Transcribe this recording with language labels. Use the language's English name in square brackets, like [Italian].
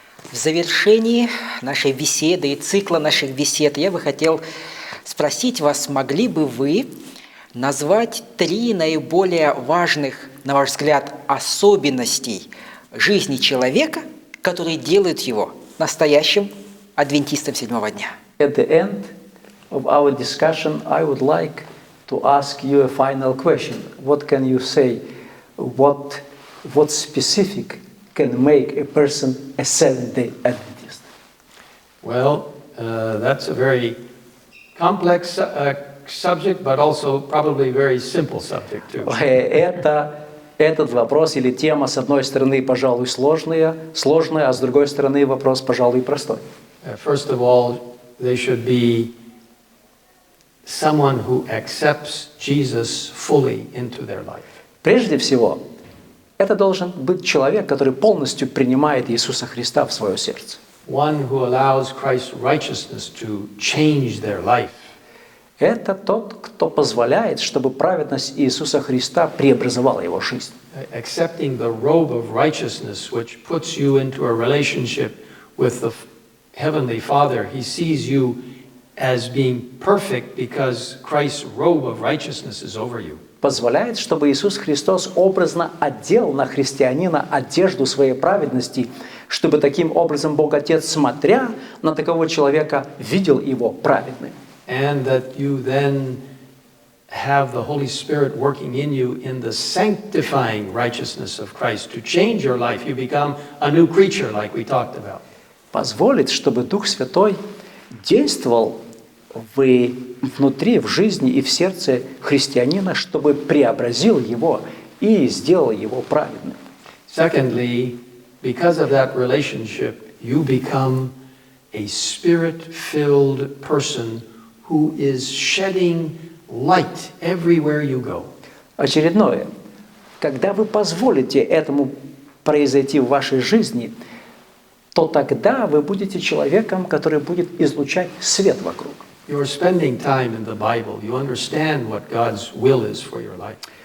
[Russian] В завершении нашей беседы и цикла наших бесед я бы хотел спросить вас, могли бы вы назвать три наиболее важных, на ваш взгляд, особенностей жизни человека, которые делают его настоящим адвентистом седьмого дня? [English] At the end of our discussion, I would like to ask you a final question. What can you say? What specific can make a person a Seventh-day Adventist? Well, that's a very complex subject, but also probably a very simple subject too. [Russian] Этот вопрос или тема, с одной стороны, пожалуй, сложная, а с другой стороны, вопрос, пожалуй, простой. [English] First of all, they should be someone who accepts Jesus fully into their life. [Russian] Прежде всего, это должен быть человек, который полностью принимает Иисуса Христа в свое сердце. [English] One who allows Christ's righteousness to change their life. [Russian] Это тот, кто позволяет, чтобы праведность Иисуса Христа преобразовала его жизнь. [English] Accepting the robe of righteousness, which puts you into a relationship with the Heavenly Father, he sees you as being perfect because Christ's robe of righteousness is over you. [Russian] Позволяет, чтобы Иисус Христос образно одел на христианина одежду своей праведности, чтобы таким образом Бог Отец, смотря на такого человека, видел его праведным. [English] And that you then have the Holy Spirit working in you in the sanctifying righteousness of Christ to change your life. You become a new creature, like we talked about. [Russian] Позволит, чтобы Дух Святой действовал внутри, в жизни и в сердце христианина, чтобы преобразил его и сделал его праведным. [English] Secondly, because of that relationship, you become a spirit-filled person who is shedding light everywhere you go. [Russian] Очередное. Когда вы позволите этому произойти в вашей жизни, то тогда вы будете человеком, который будет излучать свет вокруг. [English] You're spending time in the Bible. You understand what God's will is for your life.